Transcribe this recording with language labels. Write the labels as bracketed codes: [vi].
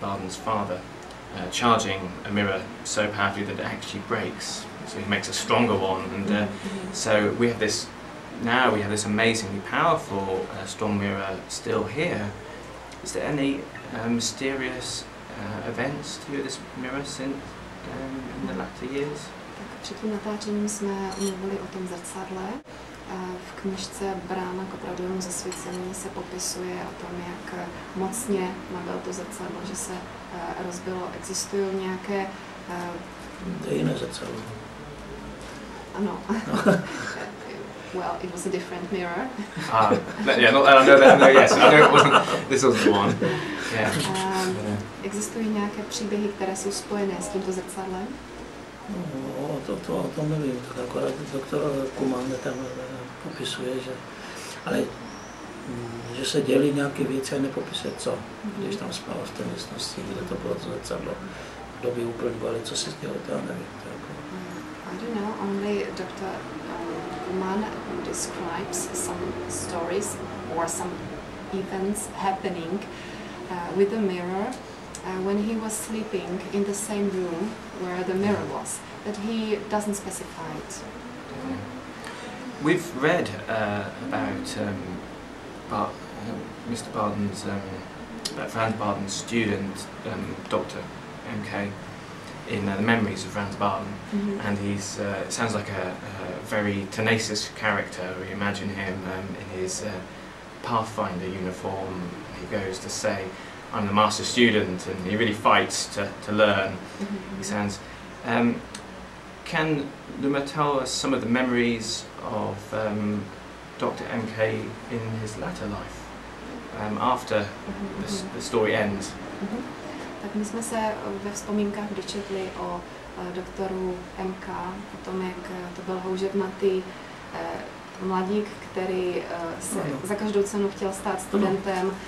[en] Bardon's father charging a mirror so powerfully that it actually breaks. So he makes a stronger one, and so we have this. Now we have this amazingly powerful storm mirror still here. Is there any mysterious events to do with this mirror since in the latter years? [cs] Tak před tím natáčením jsme mluvili o tom zrcadle. V knižce Brána k opravdovému zasvěcení se popisuje o tom, jak mocně nabil to zrcadlo, že se rozbilo. Existují nějaké... jiné zrcadlo. Ano. [en] Well, it was a different mirror. This wasn't the one. Yeah. [cs] Existují nějaké příběhy, které jsou spojené s tímto zrcadlem? No, o tom nevím, tak akorát doktor Kuman tam popisuje, že, ale že se dělí nějaké věci a nepopisuje co, když tam spal v té místnosti, kde to bylo to zrcadlo, kdo by uplňovali, co se dělo, to já nevím. To jako. [en] I don't know, only Dr. Kuman describes some stories or some events happening with the mirror when he was sleeping in the same room where the mirror was, but he doesn't specify it. Yeah. We've read about Mr. Bardon's, about Franz Bardon's student, Dr. M.K., in the memories of Franz Bardon, and he's sounds like a very tenacious character. We imagine him in his Pathfinder uniform. He goes to say, "I'm the master student," and he really fights to learn. He sounds. Can Lumir tell us some of the memories of Dr. M.K. in his latter life, after the story ends? [cs] Tak my jsme se ve vzpomínkách dočetli o doktoru M.K., o tom, jak to byl houževnatý mladík, který se za každou cenu chtěl stát studentem.